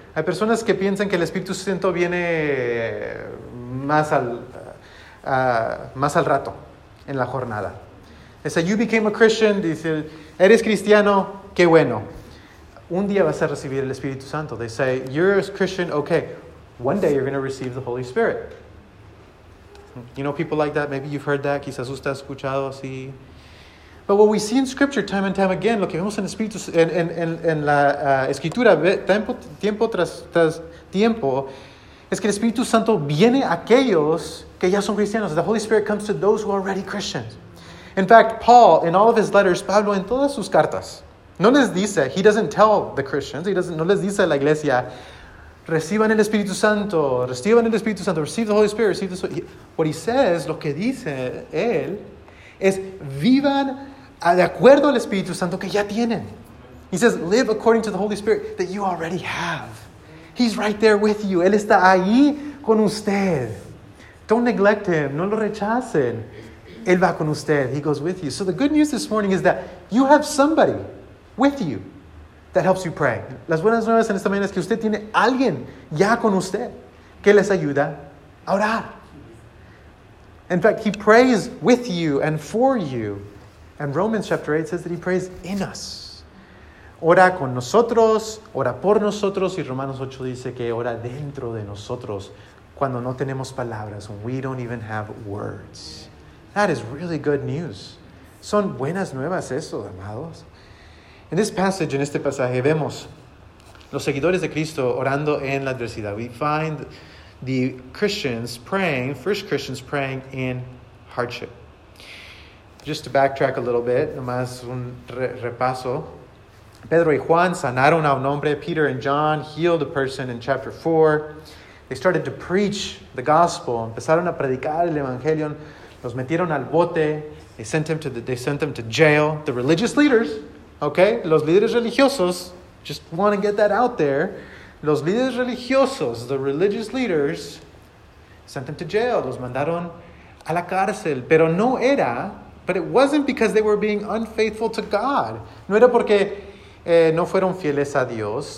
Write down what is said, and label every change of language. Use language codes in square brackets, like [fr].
[es] Hay personas que piensan que el Espíritu Santo viene más al rato, en la jornada. [en] They say, you became a Christian. They say, [es] eres cristiano, qué bueno. Un día vas a recibir el Espíritu Santo. [en] They say, you're a Christian, okay. One day you're going to receive the Holy Spirit. You know people like that? Maybe you've heard that. [es] Quizás usted ha escuchado así. [en] But what we see in Scripture time and time again, [es] lo que vemos en la Escritura, tiempo tras tiempo, es que el Espíritu Santo viene a aquellos que ya son cristianos. [en] The Holy Spirit comes to those who are already Christians. In fact, Paul, in all of his letters, [es] Pablo, en todas sus cartas, no les dice, [en] he doesn't tell the Christians, [es] no les dice a la iglesia, reciban el Espíritu Santo, reciban el Espíritu Santo, [en] receive the Holy Spirit, receive the Holy Spirit. What he says, [es] lo que dice él, es vivan de acuerdo al Espíritu Santo que ya tienen. [en] He says, live according to the Holy Spirit that you already have. He's right there with you. [es] Él está ahí con usted. [en] Don't neglect him. [es] No lo rechacen. Él va con usted. [en] He goes with you. So the good news this morning is that you have somebody with you that helps you pray. [es] Las buenas nuevas en esta mañana es que usted tiene alguien ya con usted que les ayuda a orar. [en] In fact, he prays with you and for you. And Romans chapter 8 says that he prays in us. [es] Ora con nosotros, ora por nosotros. Y Romanos 8 dice que ora dentro de nosotros cuando no tenemos palabras. [en] We don't even have words. That is really good news. [es] Son buenas nuevas eso, amados. [en] In this passage, in [es] este pasaje, vemos los seguidores de Cristo orando en la adversidad. [en] We find the Christians praying, first Christians praying in hardship. Just to backtrack a little bit, [es] nomás un repaso. Pedro y Juan sanaron a un hombre. [en] Peter and John healed a person in chapter 4. They started to preach the gospel. [es] Empezaron a predicar el evangelio. Los metieron al bote. [en] They sent them to jail. The religious leaders, okay? [es] Los líderes religiosos, [en] just want to get that out there. [es] Los líderes religiosos, [en] the religious leaders, sent them to jail. [es] Los mandaron a la cárcel. [en] But it wasn't because they were being unfaithful to God. [es] No era porque no fueron fieles a Dios.